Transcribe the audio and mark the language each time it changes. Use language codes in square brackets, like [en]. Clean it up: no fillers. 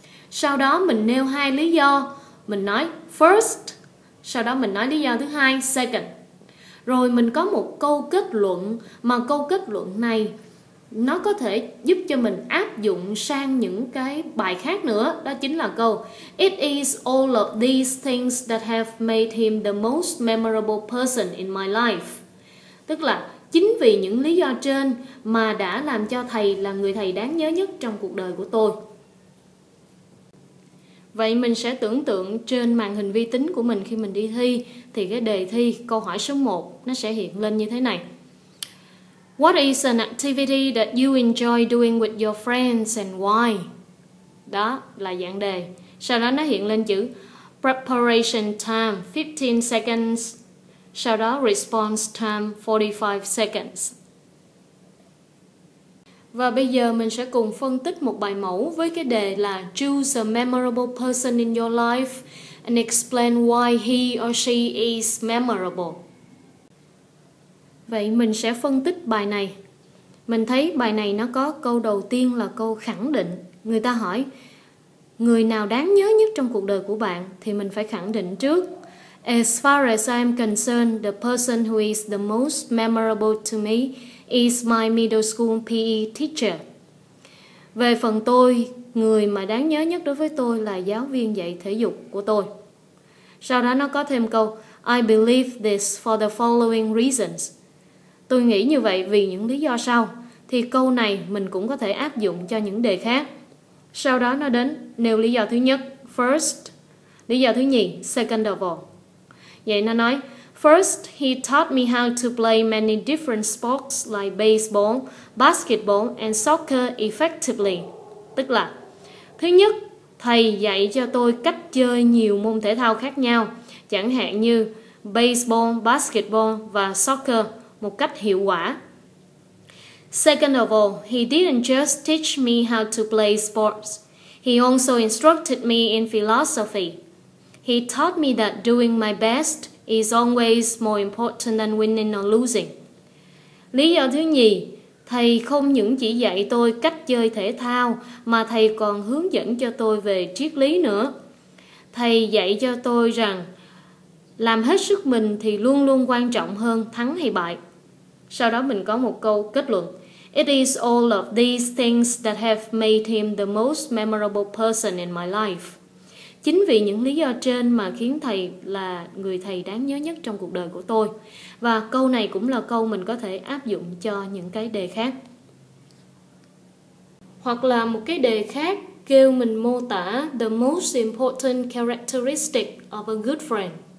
[vi] Sau đó mình nêu hai lý do. Mình nói first. Sau đó mình nói lý do thứ hai, second. Rồi mình có một câu kết luận. Mà câu kết luận này nó có thể giúp cho mình áp dụng sang những cái bài khác nữa. Đó chính là câu [en] it is all of these things that have made him the most memorable person in my life. [vi] Tức là chính vì những lý do trên mà đã làm cho thầy là người thầy đáng nhớ nhất trong cuộc đời của tôi. Vậy mình sẽ tưởng tượng trên màn hình vi tính của mình khi mình đi thi, thì cái đề thi câu hỏi số 1 nó sẽ hiện lên như thế này. [en] What is an activity that you enjoy doing with your friends and why? [vi] Đó là dạng đề. Sau đó nó hiện lên chữ [en] preparation time 15 seconds. [vi] Sau đó [en] response time 45 seconds. [vi] Và bây giờ mình sẽ cùng phân tích một bài mẫu với cái đề là [en] choose a memorable person in your life and explain why he or she is memorable. [vi] Vậy mình sẽ phân tích bài này. Mình thấy bài này nó có câu đầu tiên là câu khẳng định. Người ta hỏi người nào đáng nhớ nhất trong cuộc đời của bạn thì mình phải khẳng định trước. [en] As far as I'm concerned, the person who is the most memorable to me is my middle school PE teacher. [vi] Về phần tôi, người mà đáng nhớ nhất đối với tôi là giáo viên dạy thể dục của tôi. Sau đó nó có thêm câu, [en] I believe this for the following reasons. [vi] Tôi nghĩ như vậy vì những lý do sau. Thì câu này mình cũng có thể áp dụng cho những đề khác. Sau đó nó đến, nêu lý do thứ nhất, first. Lý do thứ nhì, second of all. Vậy nó nói, [en] first, he taught me how to play many different sports like baseball, basketball and soccer effectively. [vi] Tức là, thứ nhất, thầy dạy cho tôi cách chơi nhiều môn thể thao khác nhau, chẳng hạn như baseball, basketball và soccer một cách hiệu quả. [en] Second of all, he didn't just teach me how to play sports. He also instructed me in philosophy. He taught me that doing my best is always more important than winning or losing. [vi] Lý do thứ nhì, thầy không những chỉ dạy tôi cách chơi thể thao mà thầy còn hướng dẫn cho tôi về triết lý nữa. Thầy dạy cho tôi rằng làm hết sức mình thì luôn luôn quan trọng hơn thắng hay bại. Sau đó mình có một câu kết luận. [en] It is all of these things that have made him the most memorable person in my life. [vi] Chính vì những lý do trên mà khiến thầy là người thầy đáng nhớ nhất trong cuộc đời của tôi. Và câu này cũng là câu mình có thể áp dụng cho những cái đề khác. Hoặc là một cái đề khác kêu mình mô tả [en] the most important characteristic of a good friend.